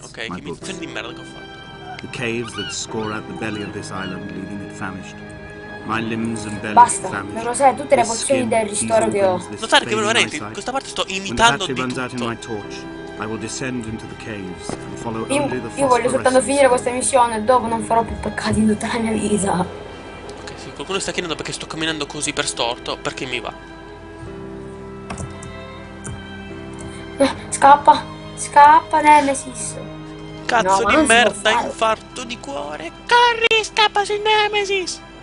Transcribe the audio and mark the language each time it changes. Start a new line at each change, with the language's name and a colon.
Italian: Ok, che mi sento di merda che ho fatto!
English: The caves that score out the belly of this island, leaving it famished. My limbs and belly
Italian: basta,
English: famished.
Italian: Non lo sai, tutte le pozioni del ristoro che ho. Notare che veramente in questa parte sto imitando di tutto.
English: I will descend into the caves and follow
Italian: io,
English: only the
Italian: io voglio soltanto finire questa missione e dopo non farò più peccati in tutta la mia vita. Ok, sì, qualcuno sta chiedendo perché sto camminando così per storto, perché mi va. Scappa, scappa Nemesis. Cazzo no, di merda, infarto di cuore. Corri, scappa su Nemesis.